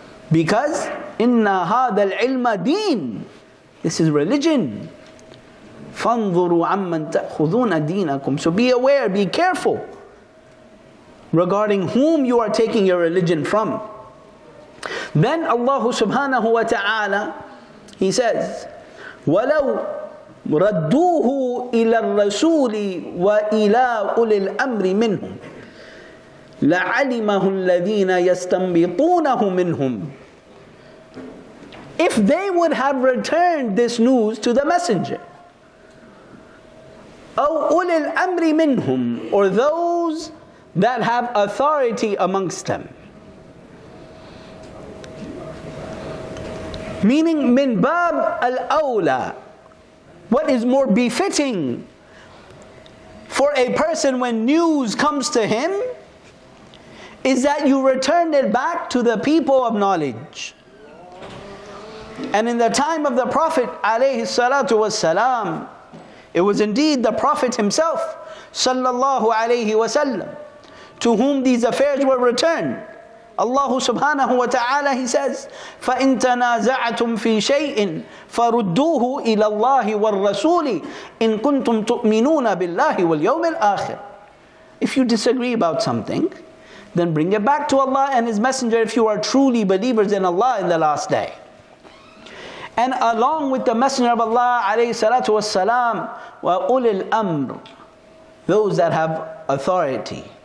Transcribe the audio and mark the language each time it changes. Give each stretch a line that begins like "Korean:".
English: Because
Arabic: inna hadha al-ilma deen,
English: this is religion.
Arabic: فَانْظُرُوا عَمَّنْ تَأْخُذُونَ دِينَكُمْ.
English: So be aware, be careful regarding whom you are taking your religion from. Then Allah subhanahu wa ta'ala, He says,
Arabic: وَلَوْ رَدُّوهُ إِلَى الرَّسُولِ وَإِلَىٰ أُولِي الْأَمْرِ مِنْهُمْ لَعَلِمَهُ الَّذِينَ يَسْتَنْبِطُونَهُ مِنْهُمْ.
English: If they would have returned this news to the messenger,
Arabic: أَوْ أُولِي الْأَمْرِ مِنْهُمْ,
English: or those that have authority amongst them. Meaning,
Arabic: مِنْ بَابْ الْأَوْلَى,
English: what is more befitting for a person when news comes to him is that you return it back to the people of knowledge. And in the time of the Prophet
Arabic: عَلَيْهِ السَّلَاةُ وَالسَّلَامُ,
English: it was indeed the Prophet himself, sallallahu alayhi wa sallam, to whom these affairs were returned. Allah subhanahu wa ta'ala, He says,
Arabic: فَإِن تَنَازَعْتُمْ فِي شَيْءٍ فَرُدُّوهُ إِلَى اللَّهِ وَالرَّسُولِ إِن كُنْتُمْ تُؤْمِنُونَ بِاللَّهِ وَالْيَوْمِ الْآخِرِ.
English: If you disagree about something, then bring it back to Allah and His Messenger if you are truly believers in Allah in the last day. And along with the Messenger of Allah alayhi salatu wassalam,
Arabic: wa ulil amr,
English: those that have authority.